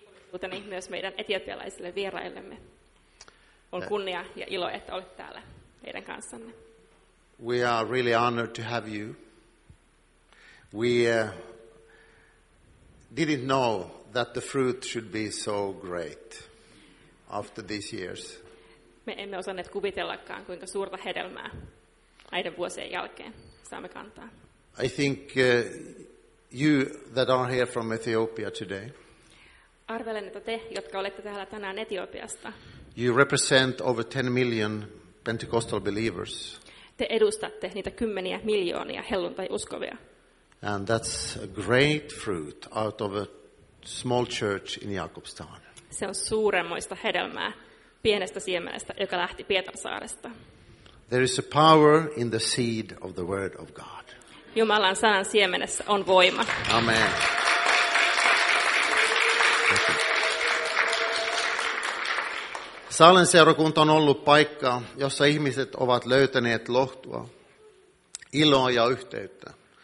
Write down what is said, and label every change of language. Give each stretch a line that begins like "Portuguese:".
Finnish: Kuten myös meidän etiopialaisille vieraillemme. On kunnia ja ilo, että olet täällä. meidän kanssanne.
English: We are really honored to have you. We didn't know that the fruit should be so great after these years.
Finnish: Me emme osanneet kuvitellakaan, kuinka suurta hedelmää näiden vuosien jälkeen saamme kantaa.
English: I think you that are here from Ethiopia today.
Finnish: Arvelen, että te, jotka olette täällä tänään Etiopiasta.
English: You represent over 10 million Pentecostal believers.
Finnish: Te edustatte niitä kymmeniä miljoonia helluntaiuskovia.
English: And that's a great fruit out of a small church in Jakobstad.
Finnish: Se on suuremmoista hedelmää pienestä siemenestä, joka lähti Pietarsaaresta.
English: There is a power in the seed of the word of God.
Finnish: Jumalan sanan siemenessä on voima. Amen. Saalen seurakunta on ollut paikka, jossa ihmiset ovat löytäneet lohtua, iloa ja yhteyttä.